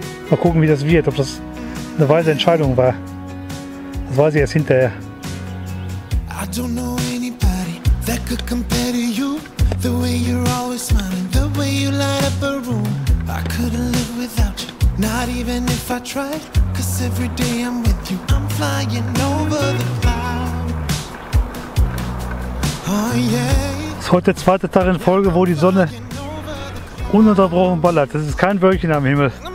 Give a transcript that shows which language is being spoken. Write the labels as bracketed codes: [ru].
[de] Mal gucken, wie das wird, ob das eine weise Entscheidung war. Das weiß ich erst hinterher. [en] I don't know anybody that could compare to you. The way you're always smiling, the way you light up a room. I couldn't live without you, not even if I tried. Cause every day I'm with you, I'm flying over the clouds. Oh yeah. [de] Ist heute der zweite Tag in Folge, wo die Sonne ununterbrochen ballert. Das ist kein Wölkchen am Himmel.